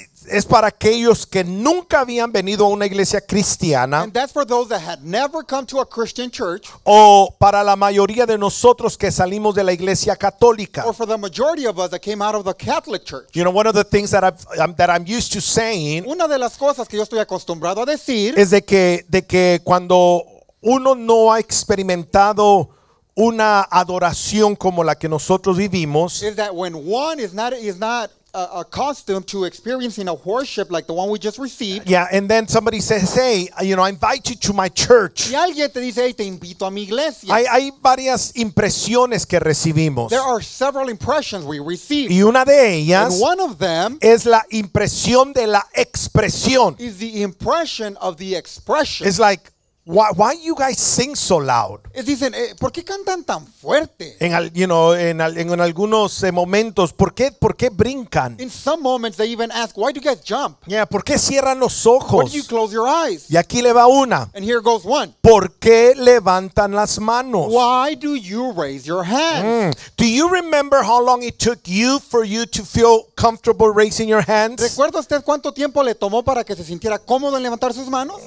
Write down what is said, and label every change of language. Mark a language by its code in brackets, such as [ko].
[es] Es para aquellos que nunca habían venido a una iglesia cristiana. [en] And that's for those that had never come to a Christian church. [es] O para la mayoría de nosotros que salimos de la iglesia católica. Or for the majority of us that came out of the Catholic church. [en] You know, one of the things that I'm used to saying. [es] Una de las cosas que yo estoy acostumbrado a decir. Es de que cuando uno no ha experimentado una adoración como la que nosotros vivimos. [en] Is that when one is not accustomed to experiencing a worship like the one we just received. Yeah, and then somebody says, hey, you know, I invite you to my church. [es] Y alguien te dice, hey, te invito a mi iglesia. Hay varias impresiones que recibimos. [en] There are several impressions we receive. [es] Y una de ellas, [en] and one of them, [es] es la impresión de la expresión. [en] Is the impression of the expression. It's like, why you guys sing so loud? [es] Dicen, ¿por qué cantan tan fuerte? En algunos momentos, ¿por qué brincan? [en] In some moments they even ask, why do you guys jump? [es] Yeah, ¿por qué cierran los ojos? [en] Why do you close your eyes? [es] Y aquí le va una. [en] And here goes one. [es] ¿Por qué levantan las manos? [en] Why do you raise your hands? Mm. Do you remember how long it took you for you to feel comfortable raising your hands? [es] ¿Recuerda usted cuánto tiempo le tomó para que se sintiera cómodo en levantar sus manos?